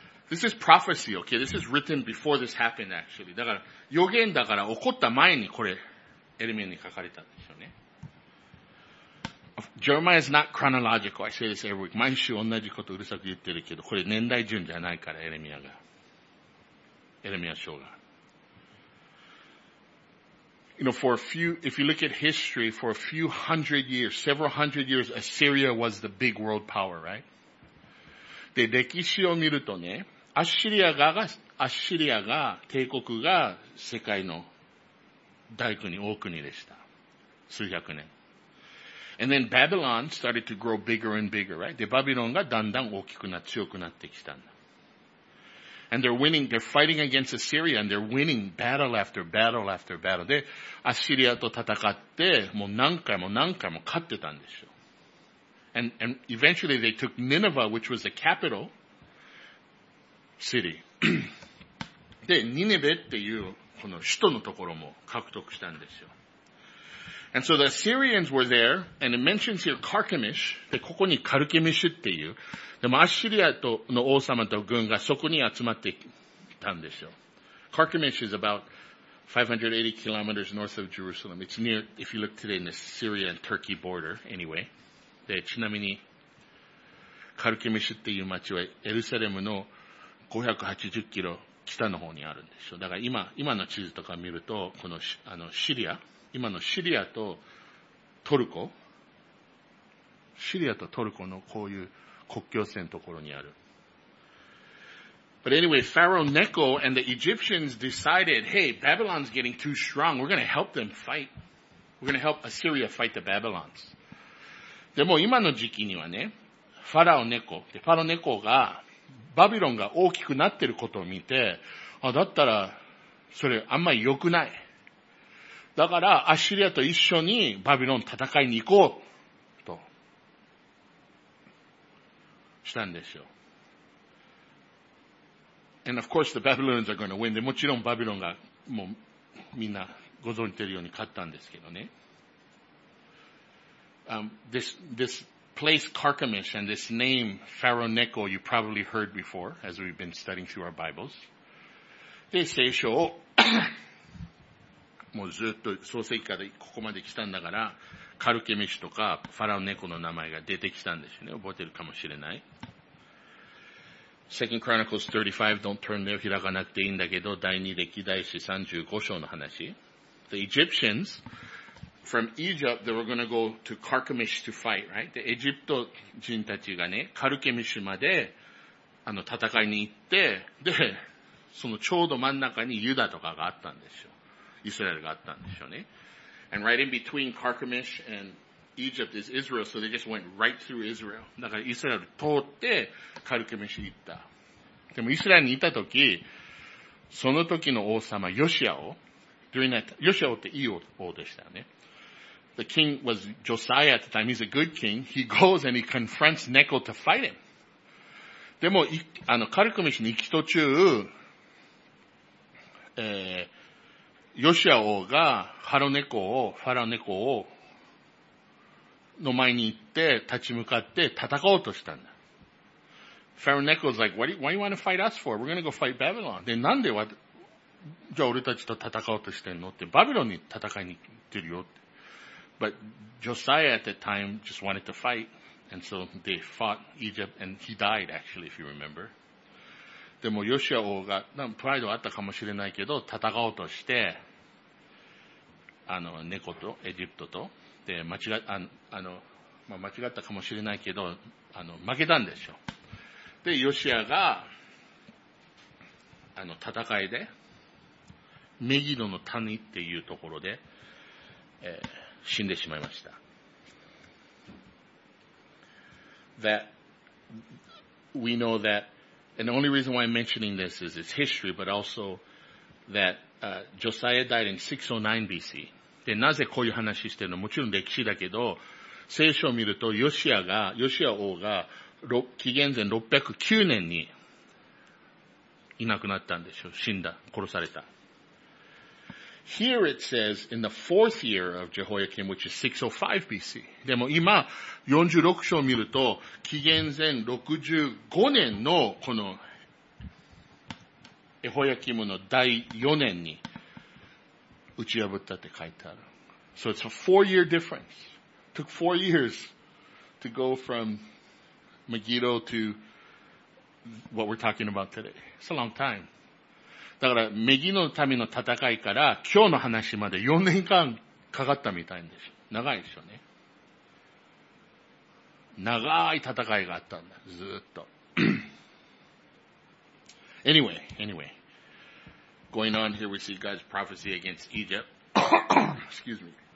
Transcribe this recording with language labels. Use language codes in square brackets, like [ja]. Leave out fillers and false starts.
[en] This is prophecy, okay? This is written before this happened actually. [ja] だから予言だから起こった前にこれエレミアに書かれたんですよね。 [en] Jeremiah is not chronological. I say this every week. [ja] 毎週同じことうるさく言ってるけど、これ年代順じゃないから、エレミアが。エレミア書が。 [en] You know, for a few, if you look at history, for a few hundred years, several hundred years, Assyria was the big world power, right? [ja] で、歴史を見るとね、アッシリアが、帝国が世界の大国、大国でした。数百年。 [en] And then Babylon started to grow bigger and bigger, right? [ja] で、バビロンがだんだん大きくな、強くなってきたんだ。 [en] And they're winning, they're fighting against Assyria and they're winning battle after battle after battle. [ja] で、アッシリアと戦って、もう何回も勝ってたんですよ。 [en] And eventually they took Nineveh, which was the capital city. [ja] で、ニネベっていう、この首都のところも獲得したんですよ。 [en] And so the Assyrians were there, and it mentions here Carchemish. [ja] で、ここにカルケミシュっていう。でも、アッシリアとの王様と軍がそこに集まってたんですよ。 [en] Carchemish is about 580 kilometers north of Jerusalem. It's near, if you look today, in the Syria and Turkey border, anyway. [ja] で、ちなみに、カルケミシュっていう町はエルサレムの580キロ北の方にあるんですよ。だから今の地図とか見ると、この、シリア、今のシリアとトルコ、シリアとトルコのこういう国境線のところにある。 [en] But anyway, Pharaoh Necho and the Egyptians decided, hey, Babylon's getting too strong. We're going to help them fight. We're going to help Assyria fight the Babylons. [ja] でも今の時期にはね、ファラオネコ、ファラオネコがバビロンが大きくなってることを見て、あ、だったらそれあんまり良くない。だから、アッシリアと一緒にバビロン戦いに行こうとしたんですよ。 [en] And of course the Babylonians are going to win. [ja] で、もちろんバビロンがもうみんなご存じているように勝ったんですけどね。 [en] This place Carchemish and this name Pharaoh Necho you probably heard before as we've been studying through our Bibles. [ja] で、聖書をもうずっと創世記からここまで来たんだから、カルケミシュとかファラオネコの名前が出てきたんですよね。覚えてるかもしれない。 [en] 2 Chronicles 35, don't turn there, [ja] 開かなくていいんだけど、第2歴代史35章の話。 [en] The Egyptians, from Egypt, they were going to go to Carchemish to fight, right? [ja] で、エジプト人たちがね、カルケミシュまで、戦いに行って、で、そのちょうど真ん中にユダとかがあったんですよ。イスラエルがあったんでしょうね。 [en] And right in between Carchemish and Egypt is Israel, so they just went right through Israel. [ja] だからイスラエル通ってカルケメシに行った。でもイスラエルにいた時、その時の王様ヨシアを、 [en] during that [ja] ヨシアっていい王でしたよね。 [en] The king was Josiah at the time. He's a good king. He goes and he confronts Necho to fight him. [ja] でも、あの、カルケメシに行き途中、ヨシア王がハロネコを、ファラネコを、の前に行って、立ち向かって戦おうとしたんだ。 [en] ファラネコ was like, why do you want to fight us for? We're going to go fight Babylon. [ja] で、なんでわ、じゃあ俺たちと戦おうとしてんのって、バビロンに戦いに行ってるよって。 [en] But Josiah at that time just wanted to fight, and so they fought Egypt, and he died actually, if you remember. [ja] でもヨシア王が、プライドあったかもしれないけど、戦おうとして、あの、猫とエジプトと、で、間違ったかもしれないけど、あの、負けたんでしょ。で、ヨシアが、あの、戦いで、メギドの谷っていうところで、死んでしまいました。 [en] That, we know that, and the only reason why I'm mentioning this is it's history, but also that, Josiah died in 609 BC. [ja] で、なぜこういう話してるの？もちろん歴史だけど、聖書を見ると、ヨシア王が、紀元前609年に、いなくなったんでしょ。死んだ。殺された。 [en] Here it says in the fourth year of Jehoiakim, which is 605 BC. [ja] でも今、46章を見ると、紀元前65年のこの、エホヤキムの第4年に、打ち破ったって書いてある。 [en] So it's a four-year difference. It took 4 years to go from Megiddo to what we're talking about today. It's a long time. [ja] だから、メギドの民の戦いから今日の話まで4年間かかったみたいんでしょ。長いでしょね。長い戦いがあったんだ。ずっと。 [en] anyway. Going on here, we see God's prophecy against Egypt. Excuse me.